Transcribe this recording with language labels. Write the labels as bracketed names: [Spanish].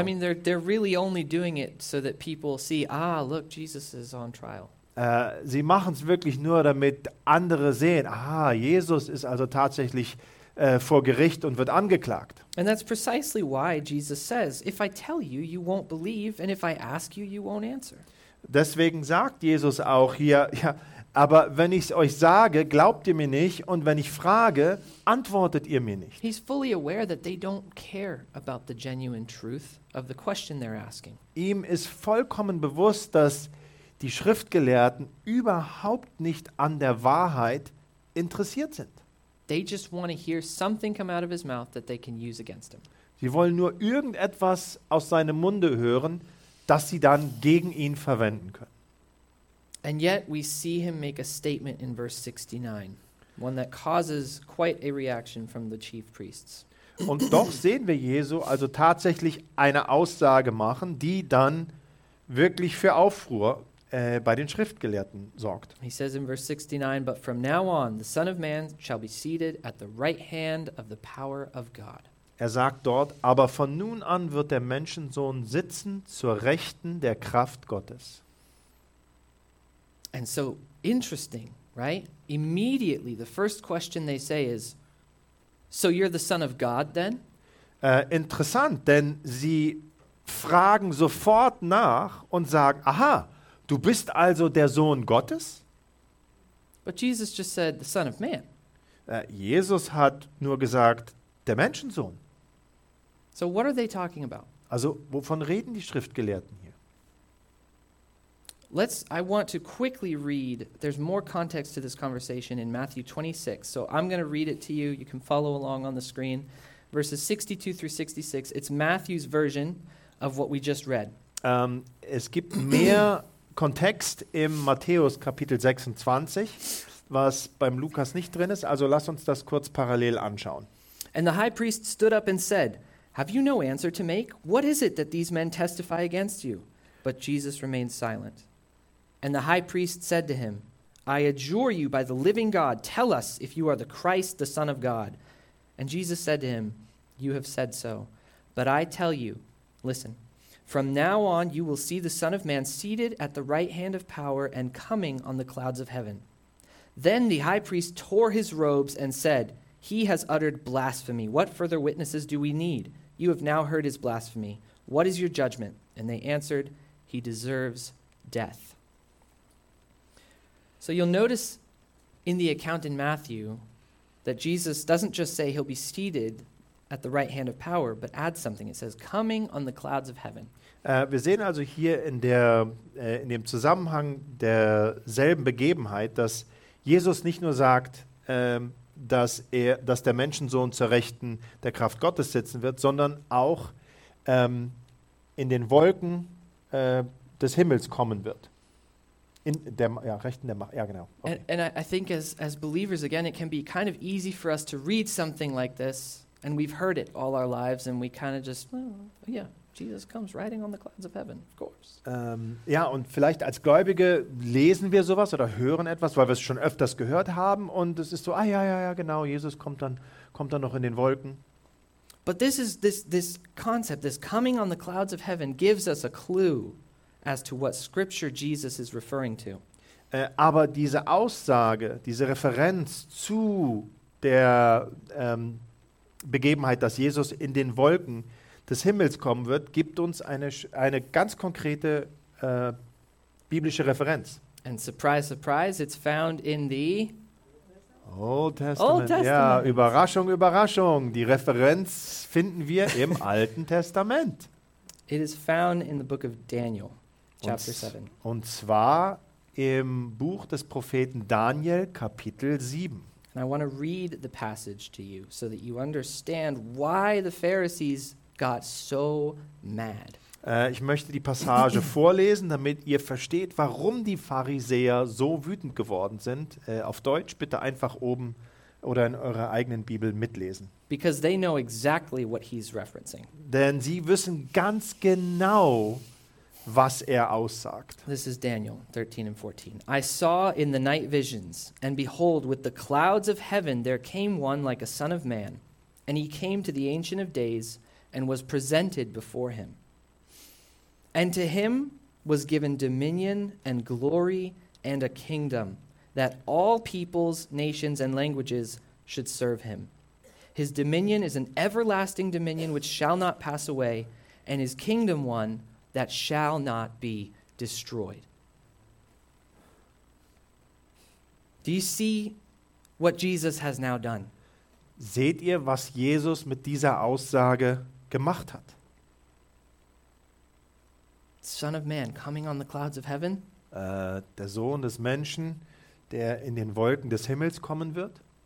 [English] I mean, they're really only doing it so that people see, ah, look, Jesus is on trial. [German] Sie machen es wirklich nur, damit andere sehen, ah, Jesus ist also tatsächlich vor Gericht und wird angeklagt. [English] And that's precisely why Jesus says, if I tell you, you won't believe, and if I ask you, you won't answer. [German] Deswegen sagt Jesus auch hier, ja, aber wenn ich es euch sage, glaubt ihr mir nicht, und wenn ich frage, antwortet ihr mir nicht. [English] He's fully aware that they don't care about the genuine truth of the question they're asking. [German] Ihm ist vollkommen bewusst, dass die Schriftgelehrten überhaupt nicht an der Wahrheit interessiert sind. [English] They just want to hear something come out of his mouth that they can use against him. [German] Sie wollen nur irgendetwas aus seinem Munde hören, das sie dann gegen ihn verwenden können. [English] And yet we see him make a statement in verse 69, one that causes quite a reaction from the chief priests. [German] Und doch sehen wir Jesu also tatsächlich eine Aussage machen, die dann wirklich für Aufruhr bei den Schriftgelehrten sorgt. [English] He says in verse 69, but from now on the Son of Man shall be seated at the right hand of the power of God. [German] Er sagt dort, aber von nun an wird der Menschensohn sitzen zur Rechten der Kraft Gottes. [English] And so interesting, right? Immediately the first question they say is, so you're the Son of God then? [German] Interessant, denn sie fragen sofort nach und sagen, aha, du bist also der Sohn Gottes? [English] But Jesus just said the Son of Man. [German] Jesus hat nur gesagt, der Menschensohn. [English] So what are they talking about? [German] Also, wovon reden die Schriftgelehrten hier? [English] I want to quickly read. There's more context to this conversation in Matthew 26. So I'm going to read it to you. You can follow along on the screen. Verses 62 through 66. It's Matthew's version of what we just read. [German] Es gibt mehr Kontext im Matthäus Kapitel 26, was beim Lukas nicht drin ist. Also lass uns das kurz parallel anschauen. [English] And the high priest stood up and said, have you no answer to make? What is it that these men testify against you? But Jesus remained silent. And the high priest said to him, I adjure you by the living God, tell us if you are the Christ, the Son of God. And Jesus said to him, you have said so. But I tell you, listen, from now on, you will see the Son of Man seated at the right hand of power and coming on the clouds of heaven. Then the high priest tore his robes and said, he has uttered blasphemy. What further witnesses do we need? You have now heard his blasphemy. What is your judgment? And they answered, he deserves death. So you'll notice in the account in Matthew that Jesus doesn't just say he'll be seated at the right hand of power, but add something. It says, coming on the clouds of heaven. [German] Wir sehen also hier in dem Zusammenhang derselben Begebenheit, dass Jesus nicht nur sagt, dass der Menschensohn zur Rechten der Kraft Gottes sitzen wird, sondern auch in den Wolken des Himmels kommen wird. In der Rechten der Macht. Ja, genau. Okay. [English] And I think as believers, again, it can be kind of easy for us to read something like this, and we've heard it all our lives, and we kind of just, Jesus comes riding on the clouds of heaven, of course. [German] Ja, und vielleicht als Gläubige lesen wir sowas oder hören etwas, weil wir es schon öfters gehört haben, und es ist so, genau, Jesus kommt dann noch in den Wolken. [English] But this is this concept, this coming on the clouds of heaven, gives us a clue as to what scripture Jesus is referring to. [German] Aber diese Aussage, diese Referenz zu der Begebenheit, dass Jesus in den Wolken des Himmels kommen wird, gibt uns eine ganz konkrete biblische Referenz. [English] And surprise, surprise, it's found in the Old Testament. [German] Ja, Überraschung, Überraschung. Die Referenz finden wir im Alten Testament. [English] It is found in the book of Daniel, chapter 7. [German] Und zwar im Buch des Propheten Daniel, Kapitel 7. [English] And I want to read the passage to you, so that you understand why the Pharisees got so mad. [German] Ich möchte die Passage vorlesen, damit ihr versteht, warum die Pharisäer so wütend geworden sind. Auf Deutsch bitte einfach oben oder in eurer eigenen Bibel mitlesen. [English] Because they know exactly what he's referencing. [German] Denn sie wissen ganz genau, was er aussagt. [English] This is Daniel 13 and 14. I saw in the night visions, and behold, with the clouds of heaven there came one like a son of man, and he came to the Ancient of Days and was presented before him. And to him was given dominion and glory and a kingdom, that all peoples, nations, and languages should serve him. His dominion is an everlasting dominion which shall not pass away, and his kingdom one that shall not be destroyed. Do you see what Jesus has now done? [German] Seht ihr, was Jesus mit dieser Aussage gemacht hat? [English] Son of man coming on the clouds of heaven? [German] Der Sohn des Menschen, der in den Wolken des Himmels kommen wird.